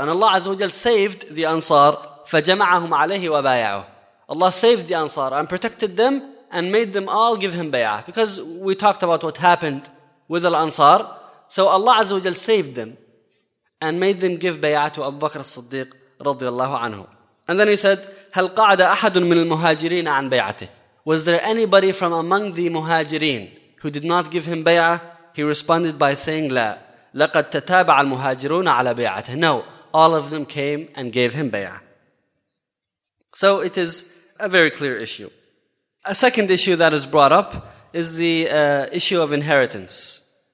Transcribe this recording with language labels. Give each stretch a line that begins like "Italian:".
English: And Allah Azza wa Jal saved the Ansar,
Arabic: فَجَمَعَهُمْ عَلَيْهِ وَبَايَعُهُ.
English: Allah saved the Ansar and protected them and made them all give him bay'ah. Because we talked about what happened with Al-Ansar. So Allah Azza wa Jal saved them and made them give bay'ah to Abu Bakr as-Siddiq radiallahu anhu. And then he said,
Arabic: هَلْ قَعَدَ أَحَدٌ مِنَ الْمُهَاجِرِينَ عَنْ بَيْعَتِهِ.
English: Was there anybody from among the Muhajirin who did not give him bay'ah? He responded by saying,
Arabic: لَا. لَقَدْ تَتَابَعَ الْمُهَاجِرُونَ عَلَى بَيْعَتِهِ.
English: No, all of them came and gave him bay'ah. So it is a very clear issue. A second issue that is brought up is the issue of inheritance.